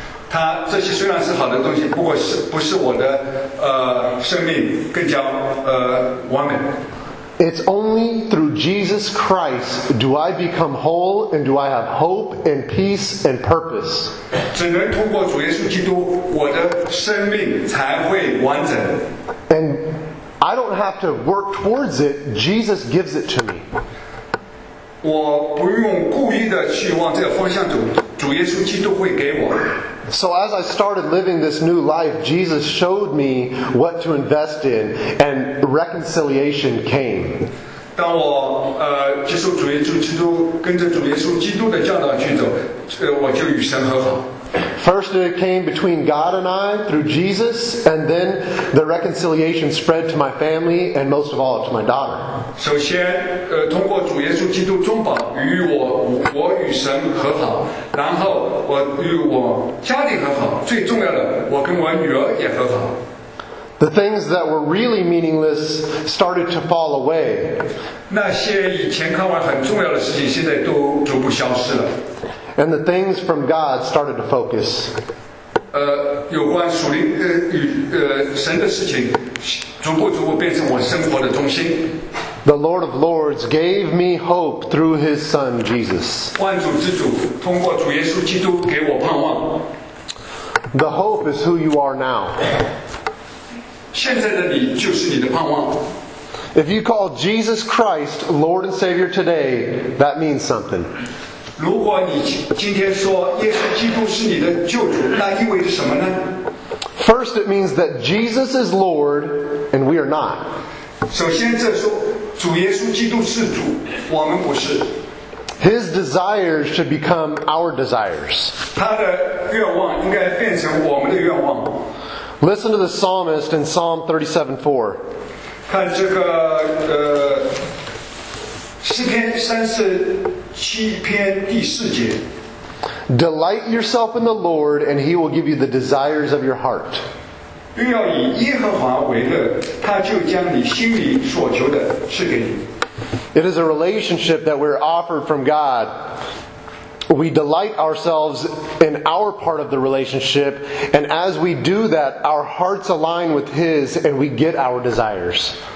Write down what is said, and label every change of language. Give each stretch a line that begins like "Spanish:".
English: It's only through Jesus Christ do I become whole and do I have hope and peace and purpose. And I don't have to work towards it. Jesus gives it to me.
Chinese: 我不用故意的去往这个方向走，主耶稣基督会给我。
English: So as I started living this new life, Jesus showed me what to invest in, and reconciliation came.
Chinese: 当我接受主耶稣基督，跟着主耶稣基督的教导去走，我就与神和好。
English: First it came between God and I through Jesus, and then the reconciliation spread to my family and most of all to my daughter.
Chinese: 首先通过主耶稣基督中保与我与神和好，然后我与我家里和好，最重要的我跟我女儿也和好。
English: The things that were really meaningless started to fall away.
Chinese: 那些以前看完很重要的事情现在都逐步消失了。
English: And the things from God started to focus.
Chinese: 有关属灵神的事情，逐步变成我生活的中心。
English: The Lord of Lords gave me hope through His Son Jesus.
Chinese: 万主之主通过主耶稣基督给我盼望。
English: The hope is who you are now.
Chinese: 现在的你就是你的盼望。
English: If you call Jesus Christ Lord and Savior today, that means something.
Chinese: 如果你今天说耶稣基督是你的救主，那意味着什么呢？
English: First, it means that Jesus is Lord, and we are not.
Chinese: 首先这说，主耶稣基督是主，我们不是。
English: His desires should become our desires.
Chinese: 他的愿望应该变成我们的愿望。
English: Listen to the psalmist in Psalm 37:4.
Chinese: 看这个诗篇三十七篇第四节。
English: Delight yourself in the Lord, and He will give you the desires of your heart.
Chinese: 并要以耶和华为乐，他就将你心里所求的赐给你。
English: It is a relationship that we're offered from God. We delight ourselves in our part of the relationship, and as we do that, our hearts align with His, and we get our desires.